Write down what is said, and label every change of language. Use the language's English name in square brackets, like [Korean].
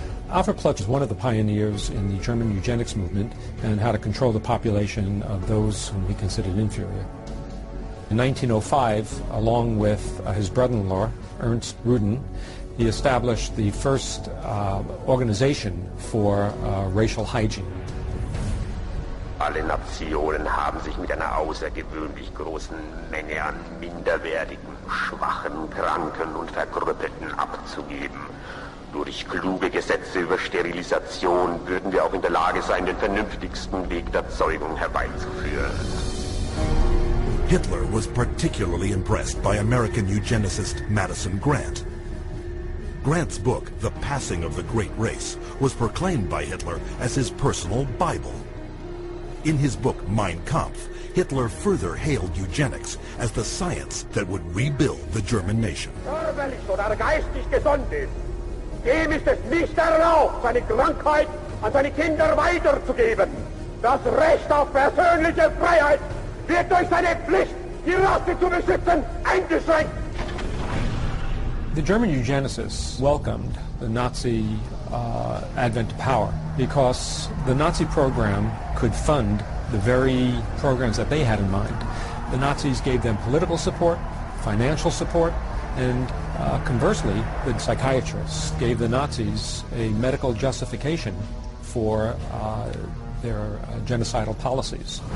[English] Alfred Plutsch was one of the pioneers in the German eugenics movement and how to control the population of those whom he considered inferior. In 1905, along with his brother-in-law, Ernst Rudin, he established the first organization for racial hygiene. [German] Alle Nationen haben sich mit einer außergewöhnlich großen Menge an minderwertigen, schwachen, kranken und verkrüppelten abzugeben. Durch kluge Gesetze über Sterilisation würden wir auch in der Lage sein, den vernünftigsten Weg der Zeugung herbeizuführen. [English] Hitler was particularly impressed by American eugenicist Madison Grant. Grant's book, The Passing of the Great Race, was proclaimed by Hitler as his personal Bible. In his book, Mein Kampf, Hitler further hailed eugenics as the science that would rebuild the German nation. [German] Körperlich oder geistig gesund ist, dem ist es nicht erlaubt, seine Krankheit an seine Kinder weiterzugeben. Das Recht auf persönliche Freiheit wird durch seine Pflicht, die Rasse zu beschützen, eingeschränkt. [English] The German eugenicists welcomed the Nazi advent to power because the Nazi program could fund the very programs that they had in mind. The Nazis gave them political support, financial support, and conversely, the psychiatrists gave the Nazis a medical justification for their genocidal policies.